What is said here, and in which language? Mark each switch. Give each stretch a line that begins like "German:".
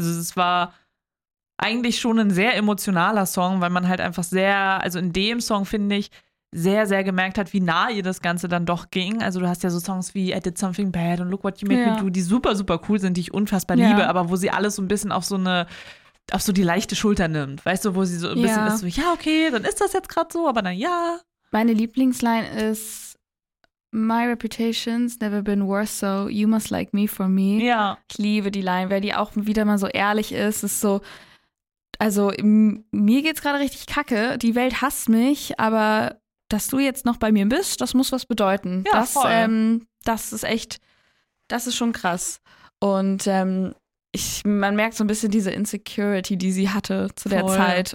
German: Also es war eigentlich schon ein sehr emotionaler Song, weil man halt einfach sehr, also in dem Song finde ich, sehr, sehr gemerkt hat, wie nah ihr das Ganze dann doch ging. Also du hast ja so Songs wie I Did Something Bad und Look What You Made Me Do, die super, super cool sind, die ich unfassbar liebe, aber wo sie alles so ein bisschen auf so eine, auf so die leichte Schulter nimmt. Weißt du, wo sie so ein bisschen ist, so, ja, okay, dann ist das jetzt gerade so, aber na ja. Meine Lieblingsline ist,
English: My reputation's never been worse, so you must like me for me.
German: Ja. Ich liebe die Line, weil die auch wieder mal so ehrlich ist. Ist so, also mir geht's gerade richtig kacke. Die Welt hasst mich, aber dass du jetzt noch bei mir bist, das muss was bedeuten. Ja, das, voll. Das ist echt, das ist schon krass. Und man merkt so ein bisschen diese Insecurity, die sie hatte zu der Zeit.